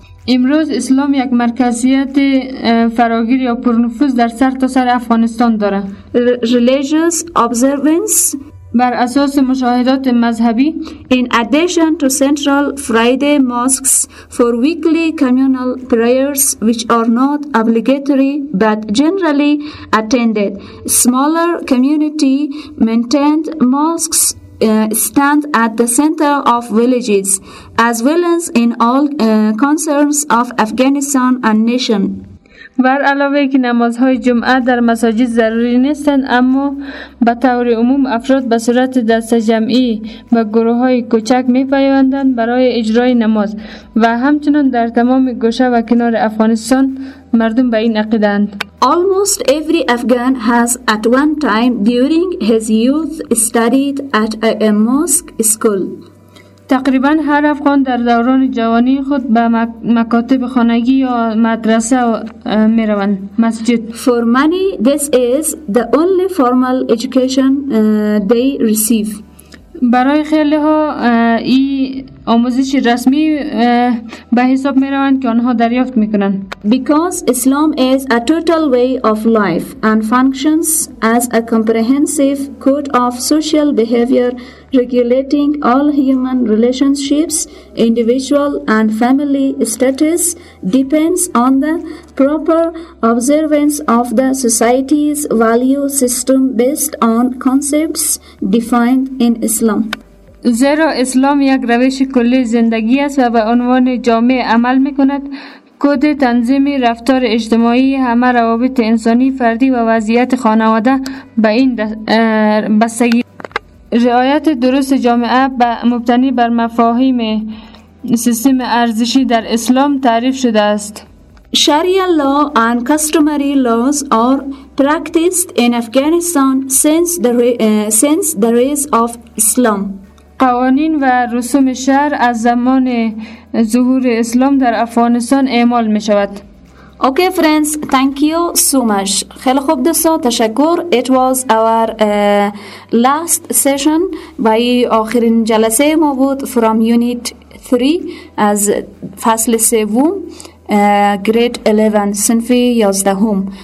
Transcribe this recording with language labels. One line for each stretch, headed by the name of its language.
Persian: امروز اسلام یک مرکزیت فراگیر یا پرنفوذ در سرتاسر افغانستان داره.
English: Religious observance
Persian: بر اساس مشاهدات مذهبی.
English: In addition to central Friday mosques for weekly communal prayers, which are not obligatory but generally attended, smaller community maintained mosques stand at the center of villages, as well as in all concerns of Afghanistan and nation.
Persian: بر علاوه که نمازهای جمعه در مساجد ضروری نیستند، اما به طور عموم افراد به صورت دسته جمعی و گروه های کوچک می پیوندند برای اجرای نماز و همچنان در تمام گوشه و کنار افغانستان مردم به این عقیده اند.
English: Almost every Afghan has at one time during his youth studied at a mosque school.
Persian: تقریبا هر افغان در دوران جوانی خود به مکاتب خانگی یا مدرسه می روند، مسجد.
English: For many, this is the only formal education they receive.
Persian: برای خیلی ها این آموزش رسمی به حساب می روند که آنها دریافت می کنند.
English: Because Islam is a total way of life and functions as a comprehensive code of social behavior regulating all human relationships, individual and family status depends on the proper observance of the society's value system based on concepts defined in Islam.
Persian: زیرا اسلام یک روش کلی زندگی است و به عنوان جامعه عمل می کند. کد تنظیم رفتار اجتماعی همه روابط انسانی فردی و وضعیت خانواده به این بستگی. رعایت درست جامعه مبتنی بر مفاهیم سیستم ارزشی در اسلام تعریف شده است.
English: Sharia law and customary laws are practiced in Afghanistan since the rise of Islam.
Persian: قوانین و رسوم شرع از زمان ظهور اسلام در افغانستان اعمال می شود.
English: Okay friends, thank you so much.
Persian: خیلی خوب دوستان، تشکر.
English: It was our last session
Persian: و آخرین جلسه ما بود
English: from unit 3
Persian: از فصل 3
English: grade 11
Persian: صنفی 11.